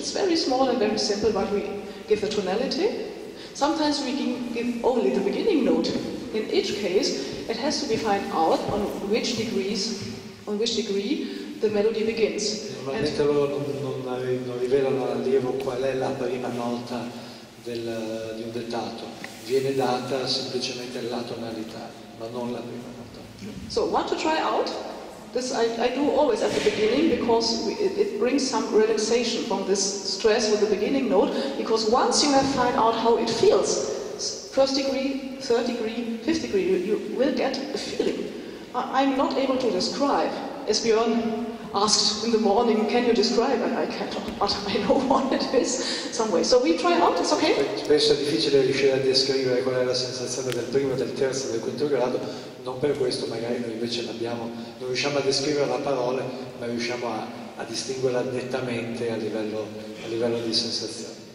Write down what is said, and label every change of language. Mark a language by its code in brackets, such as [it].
[en] It's very small and very simple, but we give the tonality. Sometimes we can give only the beginning note. In each case, it has to be found out on which degree the melody begins. [it] Normalmente loro non rivelano all'allievo qual è la prima nota di un dettato. Viene data semplicemente la tonalità, ma non la prima nota. [en] So, want to try out? This I do always at the beginning because it brings some relaxation from this stress with the beginning note, because once you have found out how it feels first degree, third degree, fifth degree, you will get a feeling. I'm not able to describe. As Björn asked in the morning, can you describe? And I cannot, but I know what it is some way. So we try out, it's okay? [it] Spesso è difficile riuscire a descrivere qual è la sensazione del primo, del terzo, del quinto grado. Non per questo magari noi invece l'abbiamo, non riusciamo a descrivere la parola, ma riusciamo a distinguerla nettamente a livello di sensazione.